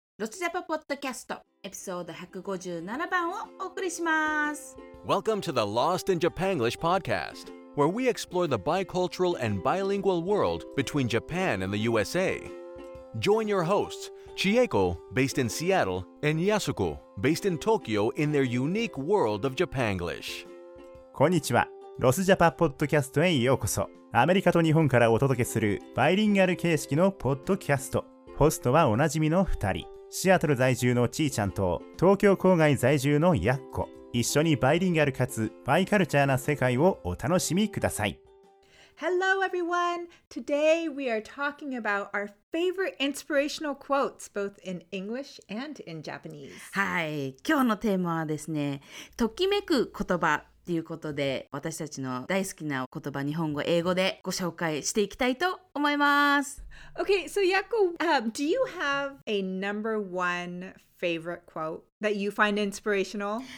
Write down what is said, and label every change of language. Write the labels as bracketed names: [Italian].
[Japanese] ロスジャパポッドキャスト、エピソード157番をお送りします。 [English] Welcome to the Lost in Japan English Podcast, where we explore the bicultural and bilingual world between Japan and the USA. Join your hosts, Chieko, based in Seattle, and Yasuko, based in Tokyo, in their unique world of Japanglish. [Japanese] こんにちは。ロスジャパポッドキャストへようこそ。アメリカと日本からお届けするバイリンガル形式のポッドキャスト。ホストはおなじみの2人、シアトル在住のちーちゃんと東京郊外在住のやっこ。一緒にバイリンガルかつバイカルチャーな世界をお楽しみください。 [English] Hello everyone! Today we are talking about our favorite inspirational quotes both in English and in Japanese. [Japanese] はい、今日のテーマはですね、ときめく言葉ということで、私たちの大好きな言葉、日本語、英語でご紹介していきたいと思います。 [English] Okay, so Yako, do you have a number one favorite quote that you find inspirational?